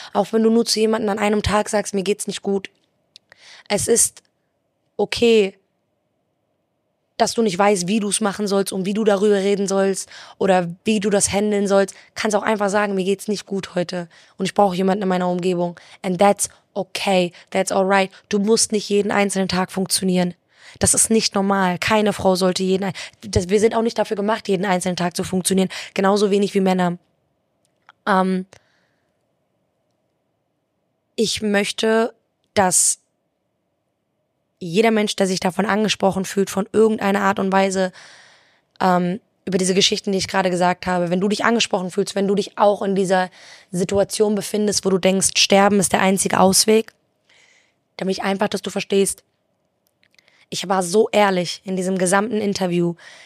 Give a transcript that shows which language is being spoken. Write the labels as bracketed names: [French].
[German] Auch wenn du nur zu jemandem an einem Tag sagst, mir geht's nicht gut. Es ist okay, dass du nicht weißt, wie du es machen sollst und wie du darüber reden sollst oder wie du das handeln sollst. Kannst auch einfach sagen, mir geht's nicht gut heute und ich brauche jemanden in meiner Umgebung. [English] And that's okay, that's alright. [German] Du musst nicht jeden einzelnen Tag funktionieren. Das ist nicht normal. Keine Frau sollte wir sind auch nicht dafür gemacht, jeden einzelnen Tag zu funktionieren. Genauso wenig wie Männer. Ich möchte, dass jeder Mensch, der sich davon angesprochen fühlt, von irgendeiner Art und Weise, über diese Geschichten, die ich gerade gesagt habe, wenn du dich angesprochen fühlst, wenn du dich auch in dieser Situation befindest, wo du denkst, Sterben ist der einzige Ausweg, dann will ich einfach, dass du verstehst, ich war so ehrlich in diesem gesamten Interview.